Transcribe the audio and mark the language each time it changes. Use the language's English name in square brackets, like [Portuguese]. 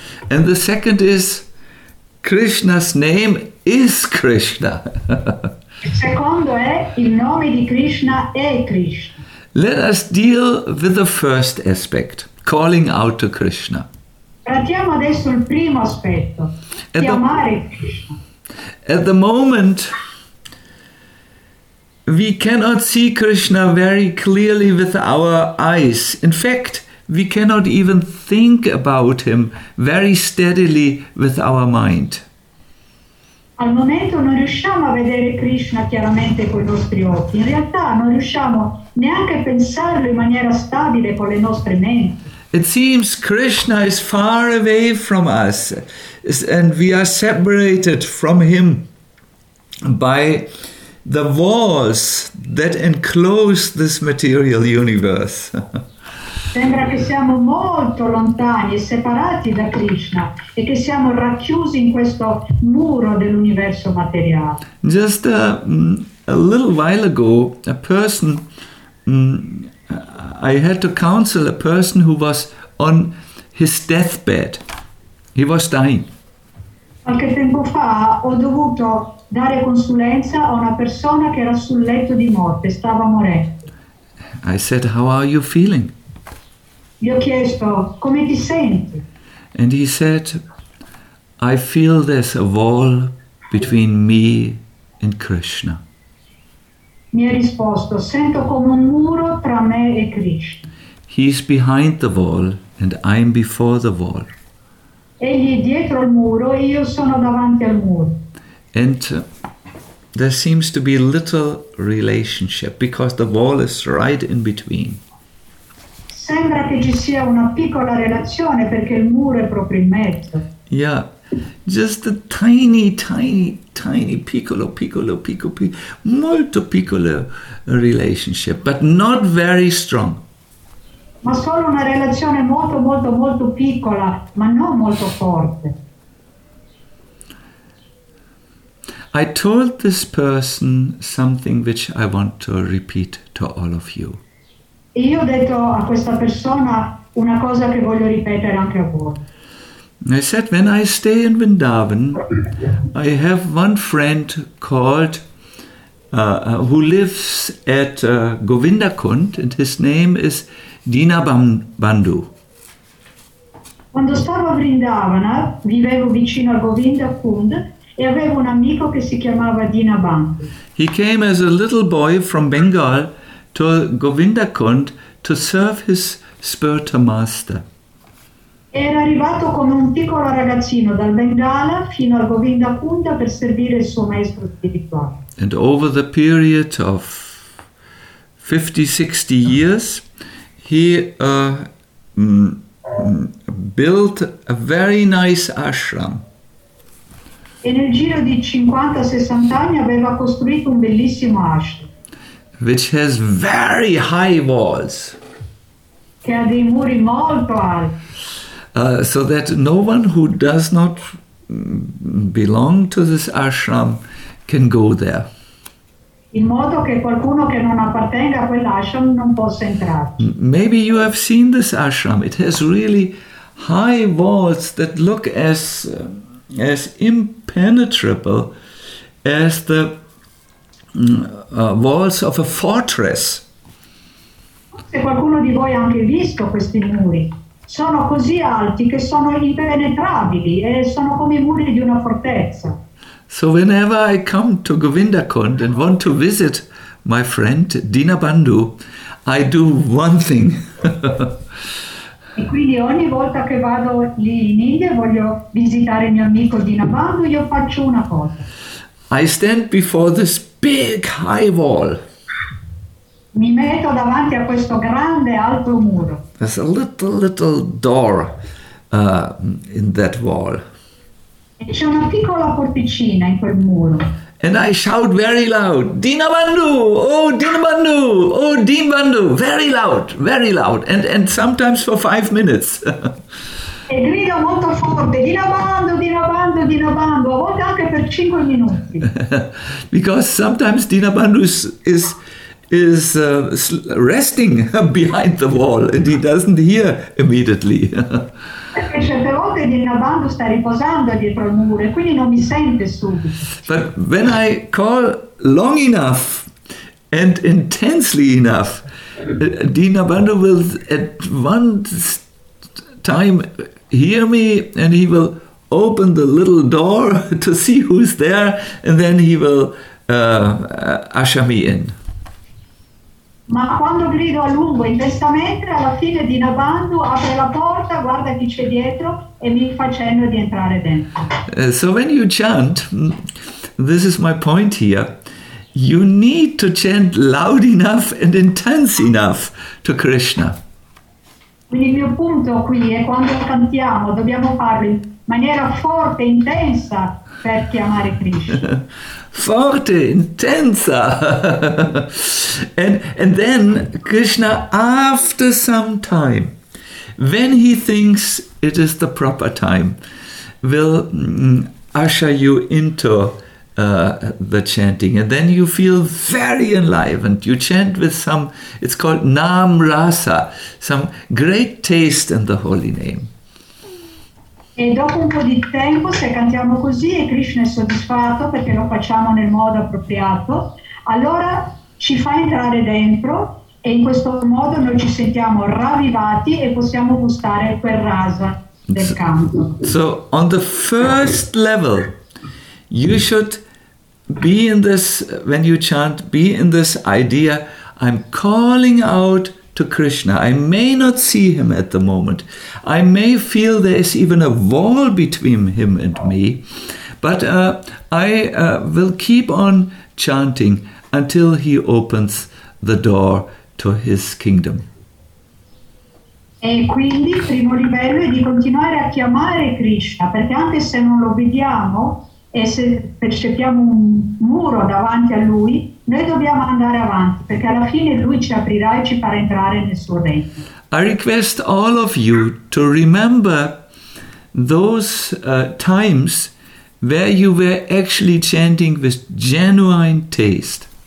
[English] And the second is Krishna's name is Krishna. [Italian] Secondo è il nome di Krishna è Krishna. [English] Let us deal with the first aspect, calling out to Krishna. [Italian] Trattiamo adesso il primo aspetto, chiamare Krishna. [English] At the moment we cannot see Krishna very clearly with our eyes. In fact, we cannot even think about him very steadily with our mind. [Italian] Al momento non riusciamo a vedere Krishna chiaramente con I nostri occhi. In realtà non riusciamo neanche a pensarlo in maniera stabile con le nostre menti. [English] It seems Krishna is far away from us and we are separated from him by the walls that enclose this material universe. [Italian] Sembra che siamo molto lontani e separati da Krishna e che siamo racchiusi in questo muro dell'universo materiale. [English] Just a little while ago, a person, I had to counsel a person who was on his deathbed. He was dying. [Italian] Qualche tempo fa ho dovuto dare consulenza a una persona che era sul letto di morte, stava morendo. [English] I said, "How are you feeling?" [Italian] Gli ho chiesto, come ti senti? [English] And he said, "I feel there's a wall between me and Krishna." [Italian] Mi ha risposto, sento come un muro tra me e Krishna. [English] He's behind the wall and I'm before the wall. [Italian] Egli è dietro il muro e io sono davanti al muro. [English] And there seems to be little relationship because the wall is right in between. [Italian] Sembra che ci sia una piccola relazione perché il muro è proprio in mezzo. [English] Yeah, just a tiny, tiny, tiny, [Italian] piccolo, piccolo, piccolo, piccolo, molto piccolo [English] relationship, but not very strong. [Italian] Ma solo una relazione molto, molto, molto piccola, ma non molto forte. [English] I told this person something which I want to repeat to all of you. [Italian] Io ho detto a questa persona una cosa che voglio ripetere anche a voi. [English] I said, when I stay in Vrindavan, I have one friend called, who lives at Govindakund, and his name is Dinabandhu. [Italian] Quando stavo a Vrindavana, vivevo vicino a Govindakund, e avevo un amico che si chiamava Dinabandhu. [English] He came as a little boy from Bengal to Govindakund to serve his spiritual master. [Italian] Era arrivato come un piccolo ragazzino dal Bengala fino a Govindakunda per servire il suo maestro spirituale. [English] And over the period of 50-60 years, he built a very nice ashram. [Italian] E nel giro di 50-60 anni aveva costruito un bellissimo ashram. [English] Which has very high walls. [Italian] Che ha dei muri molto alti. [English] So that no one who does not belong to this ashram can go there. [Italian] In modo che qualcuno che non appartenga a quell'ashram non possa entrare. [English] Maybe you have seen this ashram. It has really high walls that look as impenetrable as the walls of a fortress. [Italian] Se qualcuno di voi ha anche visto questi muri, sono così alti che sono impenetrabili e sono come i muri di una fortezza. [English] So whenever I come to Govindakund and want to visit my friend Dinabandhu, I do one thing. [Italian] E quindi ogni volta che vado lì in India voglio visitare mio amico Dinabandhu, io faccio una cosa. [English] I stand before this big high wall. [Italian] Mi metto davanti a questo grande alto muro. [English] There's a little door in that wall. [Italian] E c'è una piccola porticina in quel muro. [English] And I shout very loud, Dinabandhu, oh Dinabandhu, oh Dinabandhu, very loud, very loud, and sometimes for 5 minutes. [Italian] E grido molto forte, Dinabandhu, Dinabandhu, Dinabandhu, a volte anche per 5 minuti. [English] Because sometimes Dinabandhu is resting behind the wall and he doesn't hear immediately. [Italian] Certe volte Dinabandhu sta riposando dietro il muro e quindi non mi sente subito. [English] But when I call long enough and intensely enough, Dinabandhu will at one time hear me and he will open the little door to see who's there and then he will usher me in. [Italian] Ma quando grido a lungo, intensamente, alla fine Dinabandhu apre la porta, guarda chi c'è dietro e mi fa cenno di entrare dentro. [English] So when you chant, this is my point here, you need to chant loud enough and intense enough to Krishna. [Italian] Quindi il mio punto qui è quando cantiamo, dobbiamo farlo in maniera forte, intensa, per chiamare Krishna. Forte, intensa. [English] And then Krishna, after some time, when he thinks it is the proper time, will usher you into the chanting. And then you feel very enlivened. You chant with some, it's called Nam Rasa, some great taste in the holy name. [Italian] E dopo un po' di tempo, se cantiamo così e Krishna è soddisfatto perché lo facciamo nel modo appropriato, allora ci fa entrare dentro e in questo modo noi ci sentiamo ravvivati e possiamo gustare quel rasa del canto. [English] So, on the first level, you should be in this, when you chant, be in this idea, I'm calling out to Krishna. I may not see him at the moment. I may feel there is even a wall between him and me, but I will keep on chanting until he opens the door to his kingdom. [Italian] E quindi il primo livello è di continuare a chiamare Krishna, perché anche se non lo vediamo e se percepiamo un muro davanti a lui, noi dobbiamo andare avanti, perché alla fine lui ci aprirà e ci farà entrare nel suo regno. [English] I request all of you to remember those times where you were actually chanting with genuine taste.